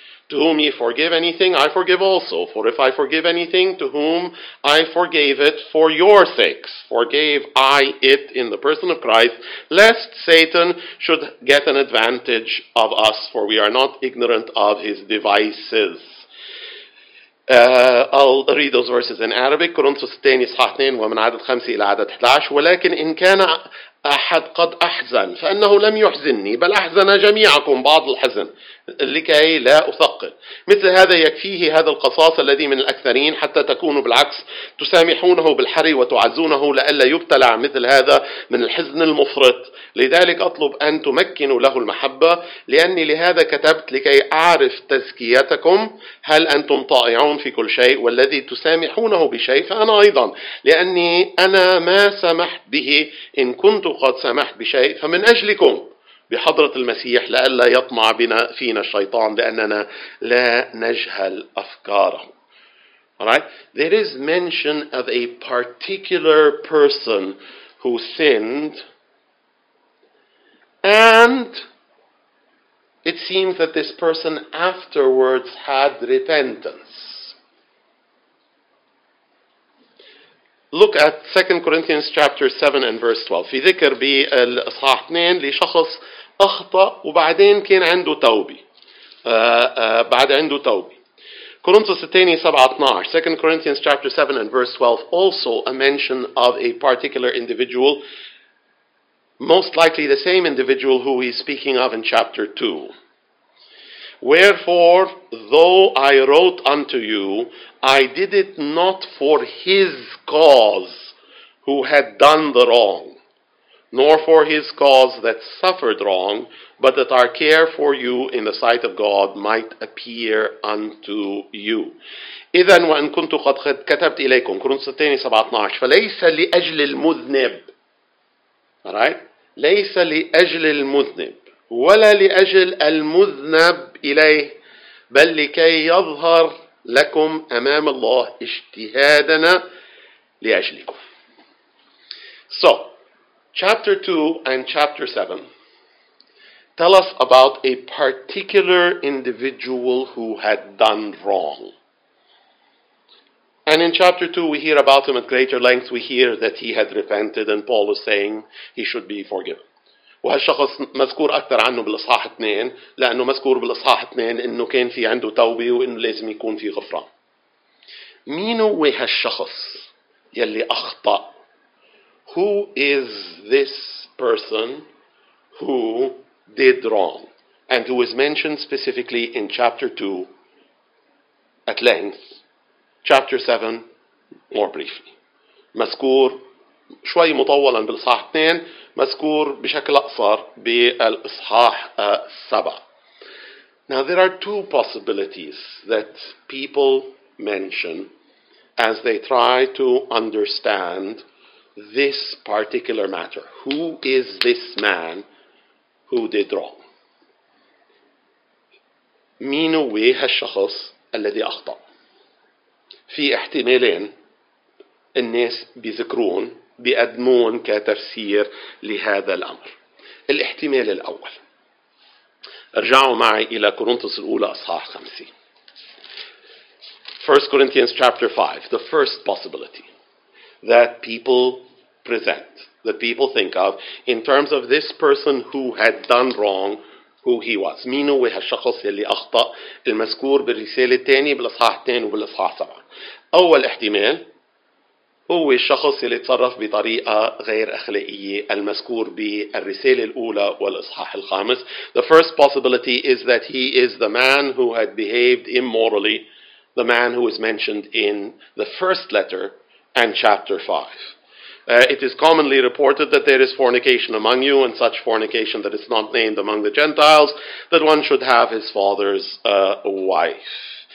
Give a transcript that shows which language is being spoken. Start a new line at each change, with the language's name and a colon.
English: To whom ye forgive anything, I forgive also. For if I forgive anything, to whom I forgave it for your sakes, forgave I it in the person of Christ, lest Satan should get an advantage of us, for we are not ignorant of his devices. I'll read those verses in Arabic.
Arabic: كورنثوس الثاني صحيح 2 ومن عدد 5 إلى عدد 11. ولكن إن كان أحد قد أحزن فأنه لم يحزنني بل أحزن جميعكم بعض الحزن لكي لا أثقل. مثل هذا يكفيه هذا القصاص الذي من الأكثرين حتى تكونوا بالعكس تسامحونه بالحري وتعزونه لألا يبتلع مثل هذا من الحزن المفرط. لذلك أطلب أن تمكنوا له المحبة، لأني لهذا كتبت لكي أعرف تزكيتكم، هل أنتم طائعون في كل شيء، والذي تسامحونه بشيء فأنا أيضا، لأني أنا ما سمحت به إن كنت قد سمحت بشيء فمن أجلكم بحضرة المسيح لألا يطمع بنا فينا الشيطان لأننا لا نجهل أفكاره.
English: Alright, there is mention of a particular person who sinned, and it seems that this person afterwards had repentance. Look at 2 Corinthians chapter 7 and verse 12.
Arabic: في ذكر بالإصحاح 2 لشخص أخطأ وبعدين كان عنده توبة. بعد عنده توبة. كورنثوس الثاني 7:12.
English: 2 Corinthians chapter 7 and verse 12 also a mention of a particular individual, most likely the same individual who he's speaking of in chapter 2. Wherefore, though I wrote unto you, I did it not for his cause who had done the wrong, nor for his cause that suffered wrong, but that our care for you in the sight of God might appear unto you.
Arabic: إذن وإن كنت قد كتبت إليكم كورنثوس الثاني 7:12 فليس لأجل المذنب.
English: Alright?
Arabic: ليس لأجل المذنب ولا لأجل المذنب إليه، بل لكي يظهر لكم أمام الله اجتهادنا لأجلكم.
English: So, chapter 2 and chapter 7 tell us about a particular individual who had done wrong. And in chapter 2, we hear about him at greater length. We hear that he had repented, and Paul is saying he should be forgiven.
Arabic: وهالشخص مذكور أكثر عنه بالإصحاح 2، لأنه مذكور بالإصحاح 2 إنه كان في عنده توبة وإنه لازم يكون في غفران. مين هو هالشخص يلي أخطأ؟
English: Who is this person who did wrong and who is mentioned specifically in chapter 2 at length? Chapter 7, more briefly.
Arabic: مذكور شوي مطولا بالإصحاح 2، مذكور بشكل أقصر بالإصحاح 7.
English: Now there are two possibilities that people mention as they try to understand this particular matter. Who is this man who did wrong?
Arabic: مين هو هالشخص الذي أخطأ؟ في احتمالين الناس بيذكرون بيقدمون كتفسير لهذا الأمر. الاحتمال الأول، ارجعوا معي إلى كورنثوس الأولى أصحاح 5.
English: First Corinthians chapter 5, the first possibility that people present, that people think of in terms of this person who had done wrong, who he was.
Arabic: مين هو هالشخص اللي أخطأ المذكور بالرسالة الثانية بالأصحاح 2 وبالأصحاح 7؟ أول احتمال هو الشخص اللي تصرف بطريقة غير أخلاقية المذكور بالرسالة الأولى والإصحاح الخامس.
English: The first possibility is that he is the man who had behaved immorally, the man who is mentioned in the first letter and chapter 5. It is commonly reported that there is fornication among you, and such fornication that is not named among the Gentiles, that one should have his father's wife.